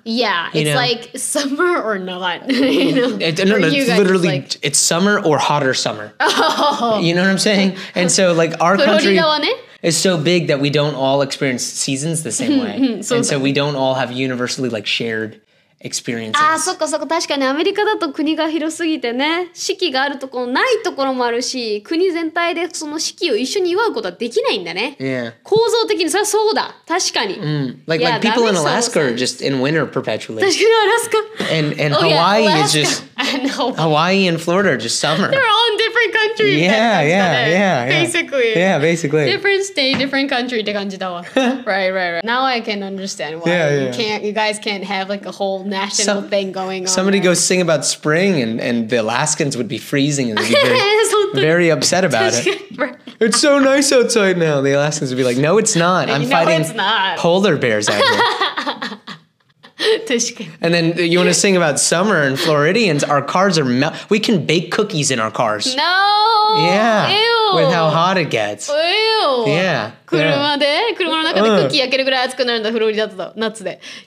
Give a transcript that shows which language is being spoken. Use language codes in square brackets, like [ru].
[en] Yeah. It's like summer or not. It's summer or hotter summer. Oh. You know what I'm saying? And so like our country is so big that we don't all experience seasons the same way. So we don't all have universally like shared experiences. [ja] Ah, そっかそっか確かにアメリカだと国が広すぎてね四季があるところもあるし国全体でその四季を一緒に祝うことはできないんだね [en] Yeah. [ja] 構造的にそれはそうだ確かに [en] Like, yeah, like people in Alaska are just in winter perpetually. [ja] 確かにアラスカ [en] And oh, Hawaii yeah, is just Hawaii and Florida are just summer. They're all in different countries. Yeah, basically. Yeah, basically. Different state, different country [ja] って感じだわ [en] Right. Now I can understand why you guys can't have like a whole national thing going on. Somebody go sing about spring and the Alaskans would be freezing and they'd be very upset about it. It's so nice outside now. The Alaskans would be like, no, it's not. I'm fighting polar bears out here. And then you want to sing about summer and Floridians, our cars are we can bake cookies in our cars. No! Yeah. Ew. With how hot it gets. Ew. Yeah. [ja] 車で、車の中でクッキー焼けるぐらい暑くなるんだ、フロリダだと、夏で。